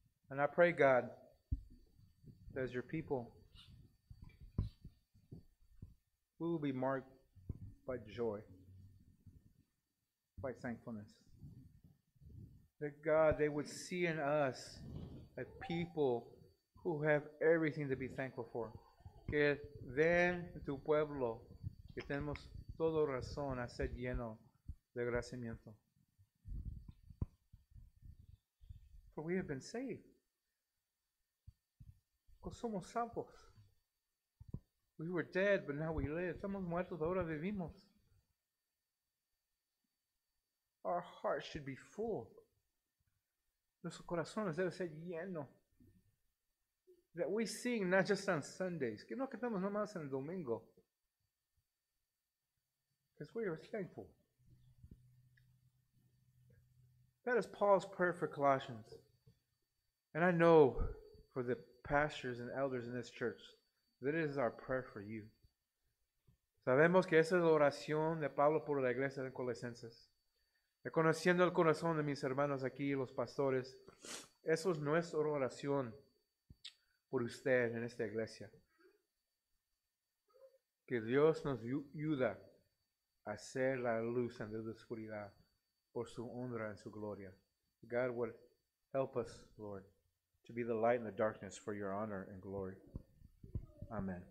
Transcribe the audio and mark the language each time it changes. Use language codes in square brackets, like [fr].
[en] And I pray, God, that as your people, we will be marked by joy. By thankfulness. That God, they would see in us a people who have everything to be thankful for. [es] Que ven tu pueblo que tenemos todo razón a ser lleno de agradecimiento. [en] For we have been saved. [es] Pues somos salvos. [en] We were dead, but now we live. [es] Somos muertos, ahora vivimos. [en] Our hearts should be full. [es] Nuestros corazones deben ser llenos. [en] That we sing not just on Sundays. [es] Que no cantamos nomás en el domingo. [en] Because we are thankful. That is Paul's prayer for Colossians. And I know for the pastors and elders in this church that it is our prayer for you. [es] Sabemos que esa es la oración de Pablo por la iglesia de Colosenses. Reconociendo el corazón de mis hermanos aquí, los pastores, eso es nuestra oración por usted en esta iglesia. Que Dios nos ayuda a ser la luz en la oscuridad por su honra y su gloria. [en] God would help us, Lord, to be the light in the darkness for your honor and glory. Amen.